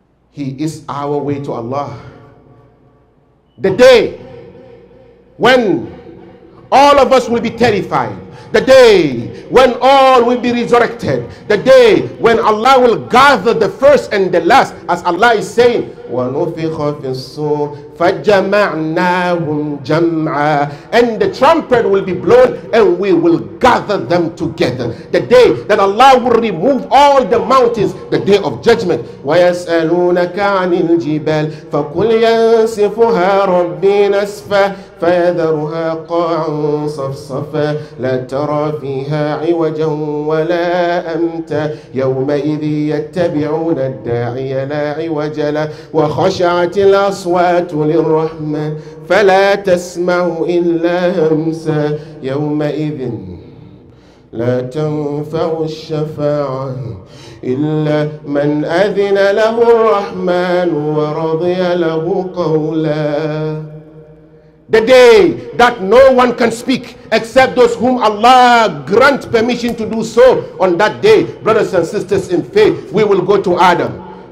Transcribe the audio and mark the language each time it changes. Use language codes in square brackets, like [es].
[en] He is our way to Allah. The day when all of us will be terrified, the day when all will be resurrected, the day when Allah will gather the first and the last, as Allah is saying, [ar] وَنُفِخَ فِي الصُّورِ فَجَمَعْنَاهُمْ جَمْعًا, [en] and the trumpet will be blown and we will gather them together. The day that Allah will remove all the mountains, the day of judgment. [ar] وَيَسْأَلُونَكَ عَنِ الْجِبَالِ فَقُلْ يَنْسِفُهَا رَبِّي نَسْفًا فَيَذَرُهَا قَاعًا صَفْصَفًا لَا تَرَى فِيهَا عِوَجًا وَلَا أَمْتًا يَوْمَئِذٍ يَتَّبِعُونَ الدَّاعِيَ لَا عِوَجَ لَهُ وخشعت الأصوات للرحمن فلا تسمع إلا همسا يومئذ لا تنفع الشفاعة إلا من أذن له الرحمن ورضي له قولا. [en] The day that no one can speak except those whom Allah grant permission to do so, on that day, brothers and sisters in faith, we will go to Adam.